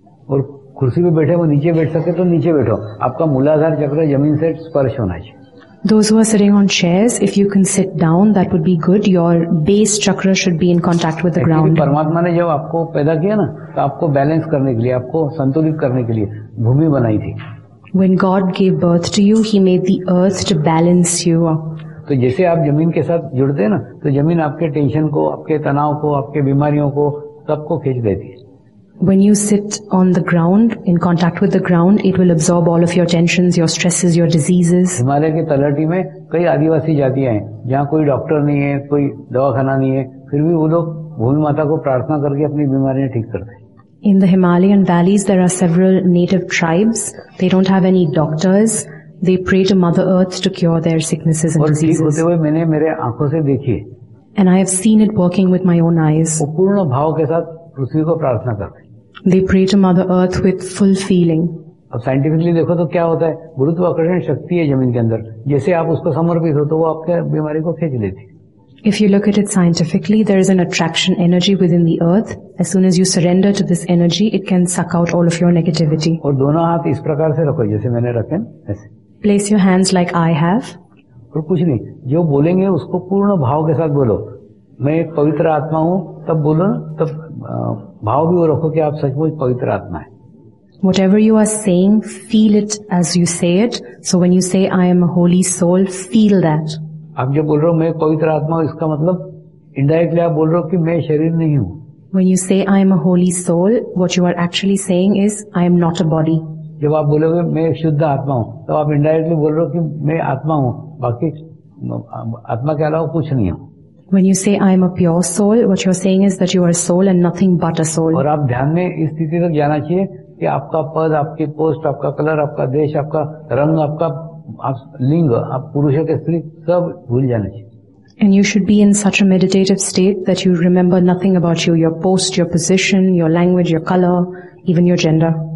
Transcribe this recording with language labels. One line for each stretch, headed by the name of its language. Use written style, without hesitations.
Hindi: और कुर्सी पे बैठे वो नीचे बैठ सके तो नीचे बैठो. आपका मूलाधार चक्र जमीन से स्पर्श होना चाहिए.
English: Those who are sitting on chairs, if you can sit down, that would be good. Your base chakra should be in contact with the ground.
Hindi: परमात्मा ने जब आपको पैदा किया ना, तो आपको बैलेंस करने के लिए, आपको संतुलित करने के लिए भूमि बनाई थी.
English: When God gave birth to you, He made the earth to balance you.
Hindi: तो जैसे आप जमीन के साथ जुड़ते हैं ना, तो जमीन आपके टेंशन को, आपके तनाव को, आपके बीमारियों को, सबको खींच देती है.
English: When you sit on the ground, in contact with the ground, it will absorb all of your tensions, your stresses, your diseases.
Hindi: Himalaya के तलहटी में कई आदिवासी जातियां हैं, जहाँ कोई डॉक्टर नहीं है, कोई दवाखाना नहीं है, फिर भी वो लोग भूमि माता को प्रार्थना करके अपनी बीमारियां ठीक करते हैं.
English: In the Himalayan valleys, there are several native tribes. They don't have any doctors. They pray to Mother Earth to cure their sicknesses and diseases.
Hindi: और ठीक होते हुए मैंने मेरे आंखों से देखी है.
English: And I have seen it working with my own eyes.
Hindi: पूर्ण भाव के साथ पृथ्वी को प्रार्थना करते हैं.
English: They pray to Mother Earth with full feeling.
Hindi: अब साइंटिफिकली देखो तो क्या होता है, गुरुत्वाकर्षण शक्ति है जमीन के अंदर, जैसे आप उसको समर्पित हो तो वो आपके बीमारी को खींच लेती।
English: If you look at it scientifically, there is an attraction energy within the earth. As soon as you surrender to this energy, it can suck out all of your negativity.
Hindi: और दोनों हाथ इस प्रकार से रखो जैसे मैंने रखे ऐसे।
English: Place your hands like I have.
Hindi: और कुछ नहीं, जो बोलेंगे उसको पूर्ण भाव के साथ बोलो, मैं एक पवित्र आत्मा हूँ, तब बोलो ना, तब भाव भी वो रखो कि आप सचमुच पवित्र आत्मा है।
English: Whatever you are saying, feel it as you say it. So when you say, I am a holy soul, feel that.
Hindi: आप जो बोल रहे हो मैं पवित्र आत्मा हूँ, इसका मतलब इनडायरेक्टली आप बोल रहे हो कि मैं शरीर नहीं हूँ।
English: When you say, I am a holy soul, what you are actually saying is, I am not a body.
Hindi: जब आप बोलोगे मैं शुद्ध आत्मा हूँ, तो आप इनडायरेक्टली बोल रहे हो कि मैं आत्मा हूँ, बाकी आत्मा के अलावा कुछ नहीं हूँ।
English: When you say, I am a pure soul, what you are saying is that you are a soul and nothing but a soul.
Hindi: और आप ध्यान में इस स्थिति तक जाना चाहिए कि आपका पद, आपकी पोस्ट, आपका कलर, आपका देश, आपका रंग, आपका आप लिंग, आप पुरुष के स्त्री सब भूल जाना चाहिए।
English: And you should be in such a meditative state that you remember nothing about you, your post, your position, your language, your colour, even your gender.